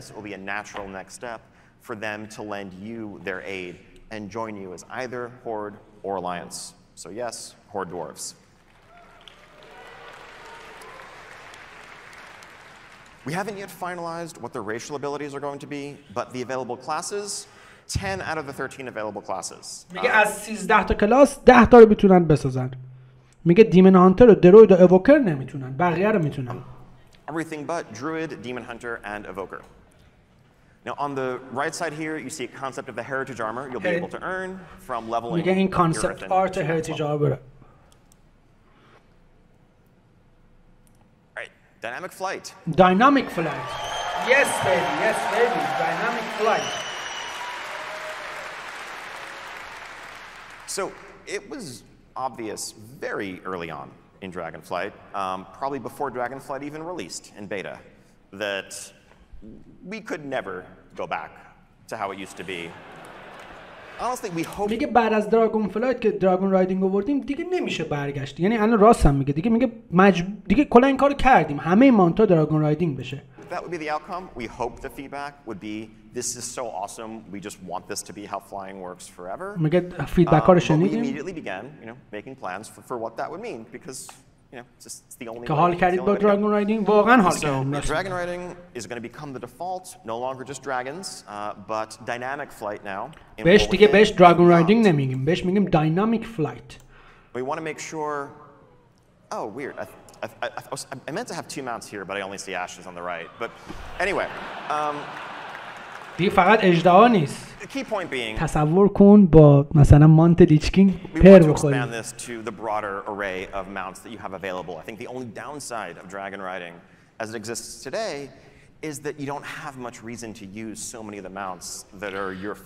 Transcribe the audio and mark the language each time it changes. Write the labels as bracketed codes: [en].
[en] will be a natural next step for them to lend you their aid and join you as either horde or alliance so yes horde dwarves We haven't yet finalized what their racial abilities are going to be, but the available classes, 10 out of the 13 available classes. [fa] میگه از 13 تا کلاس 10 تا رو میتونن بسازن. میگه دیمن هانتر و دروید و اووکر نمیتونن. بقیه رو میتونن. [en] Everything but druid, demon hunter and evoker. Now on the right side here, you see a concept of the heritage armor you'll be able to earn from leveling. [fa] میگه این concept art heritage armor. [en] Dynamic flight. Dynamic flight. Yes, baby. Yes, baby. Dynamic flight. So it was obvious very early on in Dragonflight, probably before Dragonflight even released in beta, that we could never go back to how it used to be. [fa] میگه بعد از دراگون فلایت که دراگون رایدینگ آوردیم دیگه نمیشه برگشت یعنی الان راست هم میگه دیگه دیگه کلا این کارو کردیم همه مانتا دراگون رایدینگ بشه [en] That would be the outcome we hope the feedback would be this is so awesome we just want this to be how flying works forever [fa] میگه فیدبک ها رو شنیدیم [en] we immediately began you know making plans for what that would mean because you know just it's the only [fa] که حال کردید با دراگون رایدینگ واقعا حال کردید [en] dragon riding is going to become the default no longer just dragons but dynamic flight now [fa] بهش دیگه بهش دراگون رایدینگ نمیگیم بهش میگیم دینامیک فلایت [en] we want to make sure oh weird I meant to have two mounts here but I only see ashes on the right but anyway [fa] دیگه فقط اجدها نیست [en] the key point being [fa] تصور کن با مثلا مانت لیچکینگ پر بخوری [en] we want to expand this to the broader array of mounts that you have available I think the only downside of dragon riding as it exists today is that you don't have much reason to use so many of the mounts that are your favorite